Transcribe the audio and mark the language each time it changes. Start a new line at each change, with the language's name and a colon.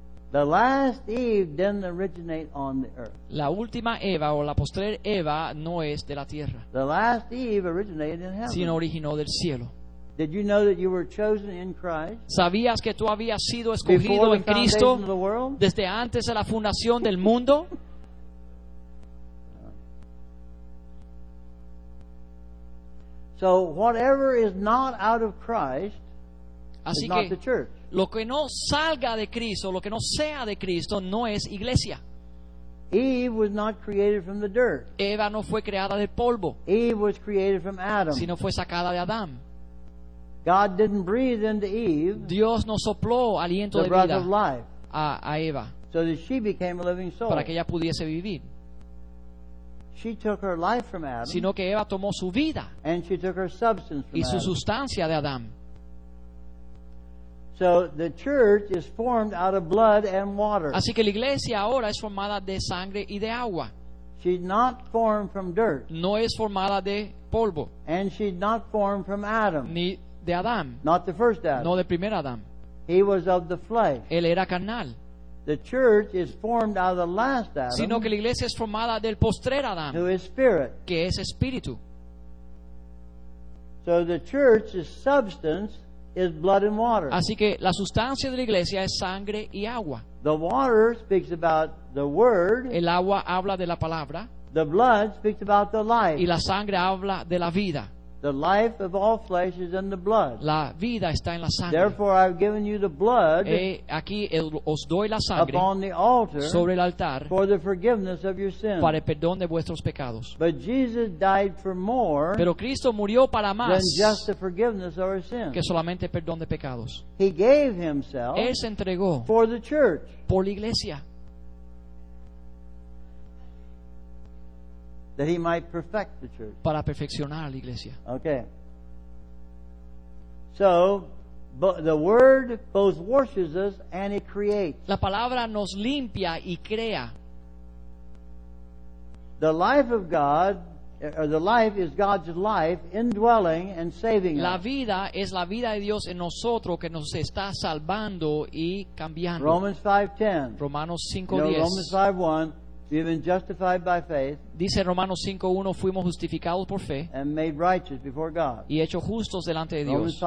English: The last Eve didn't originate on the earth.
Spanish: La última Eva o la postrer Eva no es de la tierra.
English: The last Eve originated in heaven.
Spanish: Sino originó del cielo.
English: Did you know that you were chosen in Christ?
Spanish: ¿Sabías que tú habías sido escogido en Cristo desde antes de la fundación del mundo?
English: So whatever is not out of Christ is not the church.
Spanish: Lo que no salga de Cristo, lo que no sea de Cristo, no es iglesia.
English: Eve was not created from the dirt.
Spanish: Eva no fue creada del polvo.
English: Eve was created from Adam.
Spanish: Sino fue sacada de Adán.
English: God didn't breathe into Eve.
Spanish: Dios no sopló aliento de vida
English: of life,
Spanish: a Eva.
English: So that she became a living soul.
Spanish: Para que ella pudiese vivir.
English: She took her life from Adam.
Spanish: Sino que Eva tomó su vida.
English: And she took her substance from
Spanish: y su
English: Adam.
Spanish: Sustancia de Adán.
English: So the church is formed out of blood and water.
Spanish: Así que la iglesia ahora es formada de sangre y de agua.
English: She's not formed from dirt.
Spanish: No es formada de polvo.
English: And she's not formed from Adam.
Spanish: Ni de Adam.
English: Not the first Adam.
Spanish: No del primer Adam.
English: He was of the flesh.
Spanish: Él era carnal.
English: The church is formed out of the last Adam.
Spanish: Sino que la iglesia es formada del postrer Adam.
English: Who is spirit.
Spanish: Que es espíritu.
English: So the church is substance, is blood and water.
Spanish: Así que la sustancia de la iglesia es sangre y agua.
English: The water speaks about the word.
Spanish: El agua habla de la palabra.
English: The blood speaks about the life.
Spanish: Y la sangre habla de la vida.
English: The life of all flesh is in the blood.
Spanish: La vida está en la sangre.
English: Therefore, I've given you the blood.
Spanish: Aquí os doy la sangre.
English: Upon the altar.
Spanish: Sobre el altar.
English: For the forgiveness of your sins.
Spanish: Para el perdón de vuestros pecados.
English: But Jesus died for more.
Spanish: Pero Cristo murió para más.
English: Than just the forgiveness of our sins.
Spanish: Que solamente el perdón de pecados.
English: He gave himself.
Spanish: Él se entregó.
English: For the church.
Spanish: Por la iglesia.
English: That he might perfect the church.
Spanish: Para perfeccionar la iglesia.
English: Okay. So, but the word both washes us and it creates.
Spanish: La palabra nos limpia y crea.
English: The life of God, or the life is God's life indwelling and saving us.
Spanish: La vida es la vida de Dios en nosotros que nos está salvando y cambiando.
English: Romans 5:10.
Spanish: Romanos 5:10.
English: No, Romans 5:1. We've been justified by faith.
Spanish: Dice Romanos 5:1, fuimos justificados por fe.
English: And made righteous before God.
Spanish: Y hechos justos delante de Dios.